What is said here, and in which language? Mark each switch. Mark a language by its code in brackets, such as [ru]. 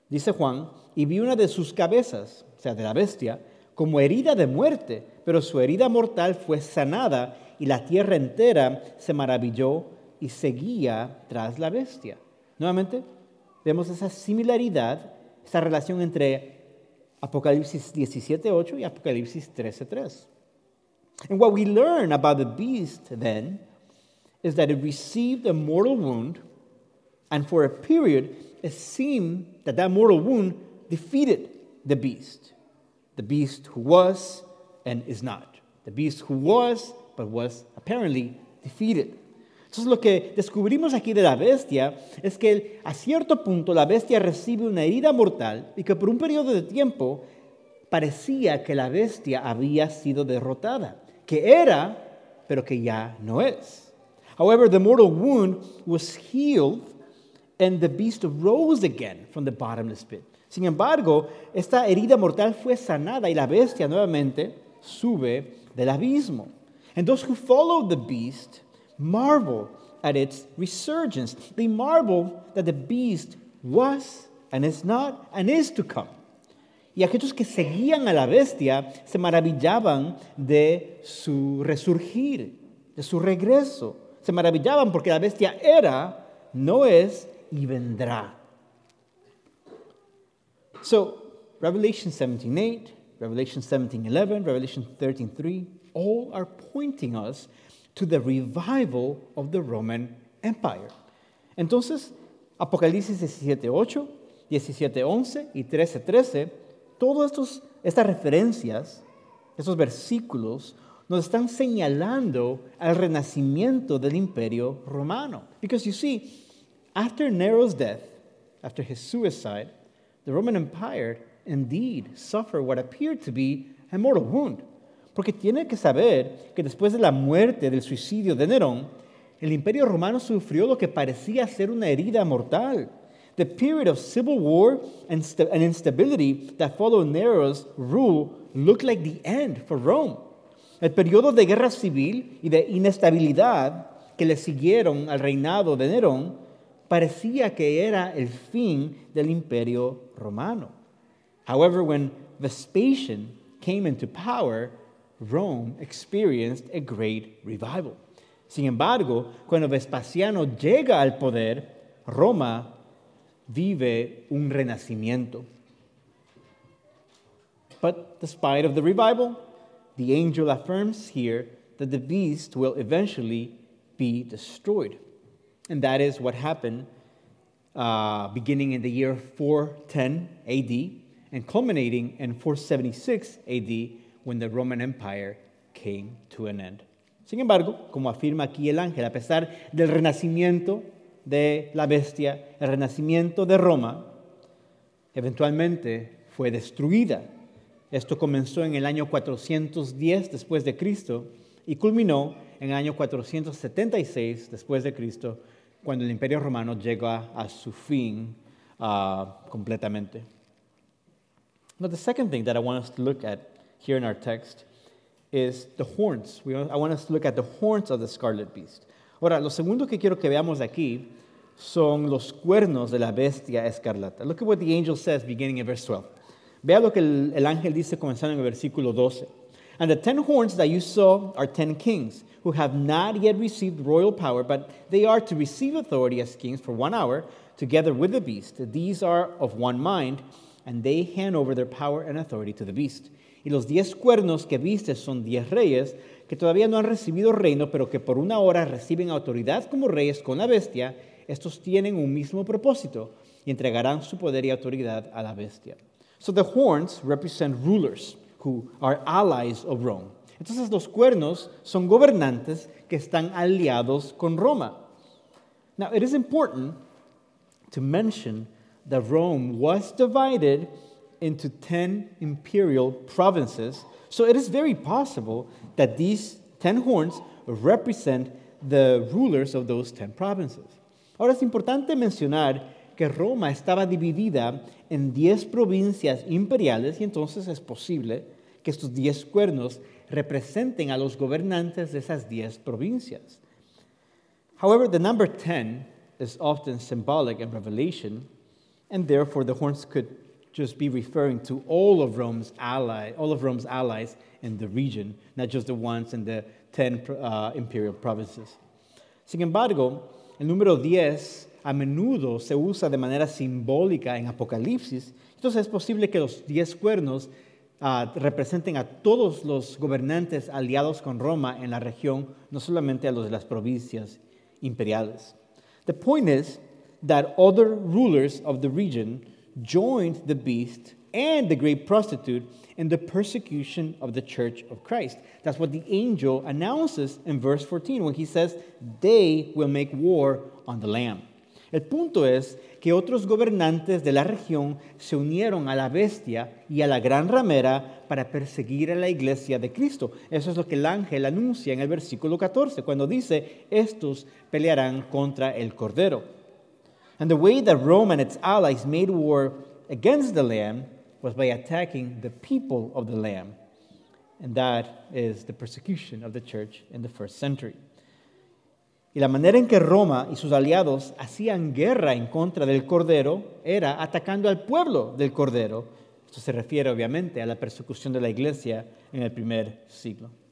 [es] Dice Juan, y vi una de sus cabezas, o sea, de la bestia, como herida de muerte, pero su herida mortal fue sanada, y la tierra entera se maravilló y seguía tras la bestia. Nuevamente, vemos esa similaridad, esa relación entre Apocalipsis 17:8 y Apocalipsis 13:3. [en] And what we learn about the beast then is that it received a mortal wound, and for a period, it seemed that that mortal wound defeated the beast who was and is not, the beast who was but was apparently defeated. [es] Entonces, lo que descubrimos aquí de la bestia es que a cierto punto la bestia recibe una herida mortal y que por un periodo de tiempo parecía que la bestia había sido derrotada, que era, pero que ya no es. [en] However, the mortal wound was healed and the beast rose again from the bottomless pit. [es] Sin embargo, esta herida mortal fue sanada y la bestia nuevamente sube del abismo. [en] And those who followed the beast marveled at its resurgence. They marveled that the beast was and is not and is to come. [es] Y aquellos que seguían a la bestia se maravillaban de su resurgir, de su regreso. Se maravillaban porque la bestia era, no es y vendrá. [en] So, Revelation 17:8, Revelation 17:11, Revelation 13:3, all are pointing us to the revival of the Roman Empire. [es] Entonces, Apocalipsis 17:8, 17:11 y 13:13, todos estas referencias, estos versículos, nos están señalando al renacimiento del Imperio Romano. [en] Because you see, after Nero's death, after his suicide, the Roman Empire indeed suffered what appeared to be a mortal wound. [es] Porque tiene que saber que después de la muerte, del suicidio de Nerón, el Imperio Romano sufrió lo que parecía ser una herida mortal. [en] The period of civil war and instability that followed Nero's rule looked like the end for Rome. [es] El periodo de guerra civil y de inestabilidad que le siguieron al reinado de Nerón parecía que era el fin del Imperio Romano. [en] However, when Vespasian came into power, Rome experienced a great revival. [es] Sin embargo, cuando Vespasiano llega al poder, Roma vive un renacimiento. [en] But despite of the revival, the angel affirms here that the beast will eventually be destroyed. And that is what happened beginning in the year 410 AD and culminating in 476 AD when the Roman Empire came to an end. [es] Sin embargo, como afirma aquí el ángel, a pesar del renacimiento de la bestia, el renacimiento de Roma, eventualmente fue destruida. Esto comenzó en el año 410 después de Cristo y culminó en el año 476 después de Cristo, cuando el Imperio Romano llega a su fin completamente. [en] But the second thing that I want us to look at here in our text is the horns. I want us to look at the horns of the scarlet beast. [es] Ahora, lo segundo que quiero que veamos aquí son los cuernos de la bestia escarlata. [en] Look at what the angel says beginning in verse 12. [es] Vea lo que el ángel dice comenzando en el versículo 12. [en] And the 10 horns that you saw are 10 kings who have not yet received royal power, but they are to receive authority as kings for 1 hour together with the beast. These are of one mind and they hand over their power and authority to the beast. [es] Y los 10 cuernos que viste son 10 reyes que todavía no han recibido reino, pero que por 1 hora reciben autoridad como reyes con la bestia. Estos tienen un mismo propósito y entregarán su poder y autoridad a la bestia. [en] So the horns represent rulers who are allies of Rome. [es] Entonces los cuernos son gobernantes que están aliados con Roma. [en] Now it is important to mention that Rome was divided into 10 imperial provinces. So it is very possible that these 10 horns represent the rulers of those 10 provinces. [es] Ahora es importante mencionar que Roma estaba dividida en 10 provincias imperiales y entonces es posible que estos 10 cuernos representen a los gobernantes de esas 10 provincias. [en] However, the number 10 is often symbolic in Revelation and therefore the horns could just be referring to all of Rome's allies in the region, not just the ones in the 10 imperial provinces. [es] Sin embargo, el número 10 a menudo se usa de manera simbólica en Apocalipsis. Entonces es posible que los 10 cuernos representen a todos los gobernantes aliados con Roma en la región, no solamente a los de las provincias imperiales. [en] The point is that other rulers of the region joined the beast and the great prostitute and the persecution of the church of Christ. That's what the angel announces in verse 14 when he says, they will make war on the Lamb. [es] El punto es que otros gobernantes de la región se unieron a la bestia y a la gran ramera para perseguir a la iglesia de Cristo. Eso es lo que el ángel anuncia en el versículo 14, cuando dice, estos pelearán contra el Cordero. [en] And the way that Rome and its allies made war against the Lamb was by attacking the people of the Lamb. And that is the persecution of the church in the first century. [es] Y la manera en que Roma y sus aliados hacían guerra en contra del Cordero era atacando al pueblo del Cordero. Esto se refiere, obviamente, a la persecución de la iglesia en el primer siglo.